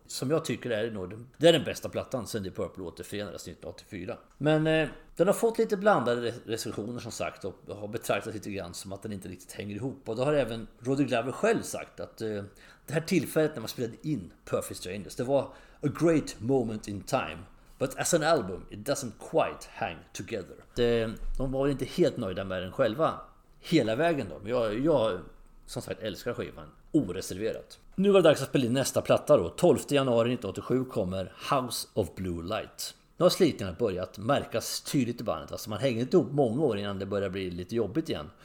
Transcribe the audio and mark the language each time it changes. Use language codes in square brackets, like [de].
[sv] Som jag tycker är nog, det är den bästa plattan sedan Deep Purple återförenades 1984. Men den har fått lite blandade recensioner, som sagt, och har betraktats lite grann som att den inte riktigt hänger ihop. Och då har även Roddy Glover själv sagt att det här tillfället när man spelade in Perfect Strangers, det var [en] a great moment in time. But as an album, it doesn't quite hang together. [sv] De var inte helt nöjda med den själva hela vägen då. Men jag, som sagt, älskar skivan oreserverat. Nu var det dags att spela in nästa platta då. 12 januari 1987 kommer House of Blue Light. Nu har slitningarna börjat märkas tydligt i bandet. Alltså man hänger inte ihop många år innan det börjar bli lite jobbigt igen.